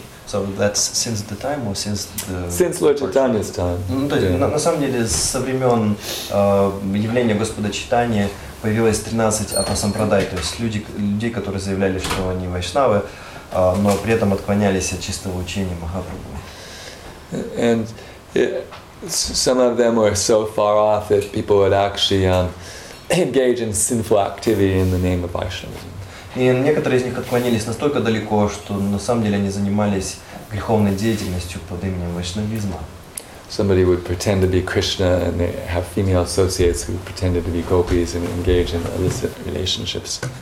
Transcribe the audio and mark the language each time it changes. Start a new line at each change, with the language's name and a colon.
English: So that's since the time, or since the since Lord Chaitanya's time.
Russian: На самом деле, со времен явления Господа Чайтаньи появилось 13 upper sampraday, то есть людей, которые заявляли, что они вайшнавы, но при этом отклонялись от чистого учения Махапрабху.
English: And some of them were so far off that people would actually engage in sinful activity in the name of Vaishnavism.
Russian: И некоторые из них отклонились настолько далеко, что на самом деле они занимались греховной деятельностью под именем вайшнавизма.
English: Somebody would pretend to be Krishna and they have female associates who pretended to be gopis and engage in illicit relationships.